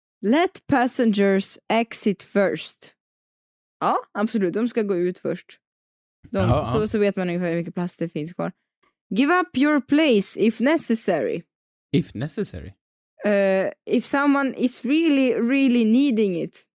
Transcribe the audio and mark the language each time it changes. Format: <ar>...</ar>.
<en>Let passengers exit first.</en> <sv>Ja, absolut. De ska gå ut först. Så vet man ungefär hur mycket plats det finns kvar.</sv> <en>Give up your place if necessary. If necessary? If someone is really, really needing it.</en>